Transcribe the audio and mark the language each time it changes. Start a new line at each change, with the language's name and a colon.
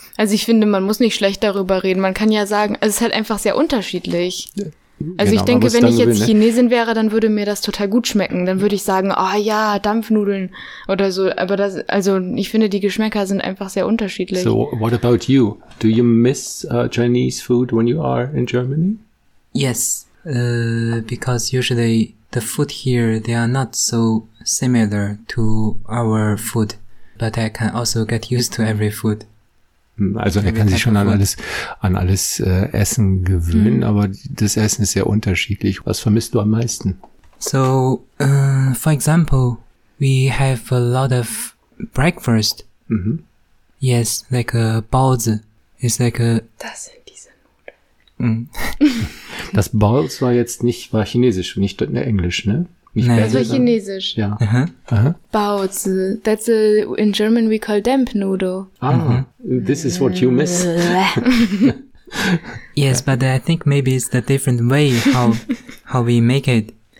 German: Also ich finde, man muss nicht schlecht darüber reden. Man kann ja sagen, es ist halt einfach sehr unterschiedlich. Also ich denke, wenn ich jetzt Chinesin wäre, dann würde mir das total gut schmecken. Dann würde ich sagen, oh ja, Dampfnudeln oder so. Aber das, also ich finde, die Geschmäcker sind einfach sehr unterschiedlich.
English: So, what about you? Do you miss Chinese food when you are in Germany? Yes. Because usually the food here, they are not so similar to our food, but I can also get used to every food.
German: Also er kann sich schon an alles Essen gewöhnen, aber das Essen ist sehr unterschiedlich. Was vermisst du am meisten?
English: So, for example, we have a lot of breakfast. Yes, like a Baozi. It's like a...
German: Das. Das Balls war jetzt nicht, war chinesisch, nicht englisch, ne? Nein, das war chinesisch. Ja.
Chinese: Baozi.
English: That's a, in German we call damp noodle. This is what you miss. Yes, but I think maybe it's the different way how we make it.